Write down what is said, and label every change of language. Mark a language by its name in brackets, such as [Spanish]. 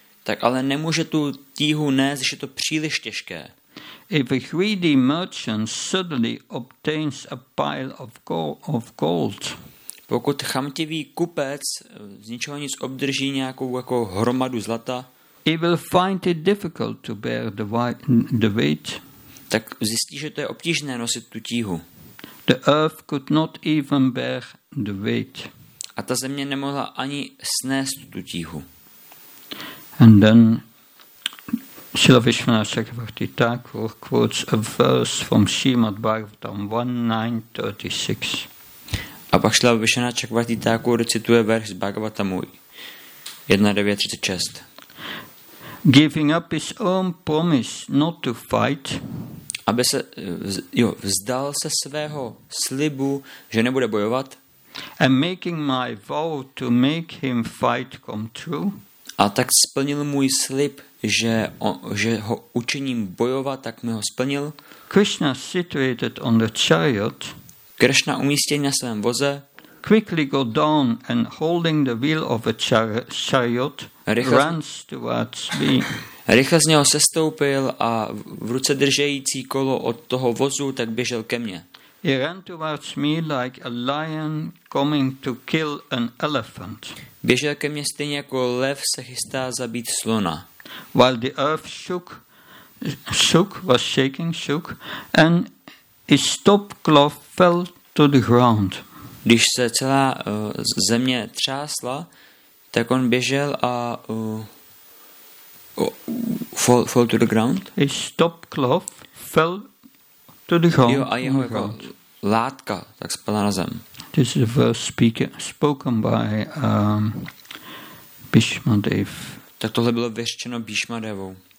[Czech] Tak ale nemůže tu tíhu nést, když je to příliš těžké. [English] If a greedy merchant suddenly obtains a pile of gold. [Czech] Pokud chamtivý kupec z ničeho nic obdrží nějakou jako hromadu zlata. [English] He will find it difficult to bear the weight. [Czech] Tak zjistí, že to je obtížné nosit tu tíhu. [English] The earth could not even bear the weight. [Czech] A ta země nemohla ani snést tu tíhu. [English] And then Srila Vishvanatha Chakravarti Thakur quotes a verse from Srimad Bhagavatam 1.9.36. [Czech] A pak Srila Vishvanatha Chakravarti Thakur cituje verš z Bhagavatamu 1.9.36. [English] Giving up his own promise not to fight, [Czech] aby se vzdal se svého slibu, že nebude bojovat. [English] And making my vow to make him fight come true. [Czech] A tak splnil můj slib, že ho učiním bojovat, tak mi ho splnil. [English] Krishna situated on the chariot. [Czech] Krishna umístěn na svém voze. [English] Quickly go down and holding the wheel of a chariot runs towards me. [Czech] Rychle z něho sestoupil a v ruce držející kolo od toho vozu tak běžel ke mně. [English] He ran towards me like a lion coming to kill an elephant. [Czech] Běžel ke mně stejně jako lev se chystá zabít slona. [English] While the earth shook and his top cloth fell to the ground. [Czech] Když se celá země třásla, tak on běžel a [English] fall to the ground. His top cloth fell to the ground. [Czech] Jo, a jeho jako ground. Látka tak spadla na zem. [English] This is a verse spoken by Bhishma Dev. [Czech] Tak tohle bylo vyřečeno Bhishma Devou.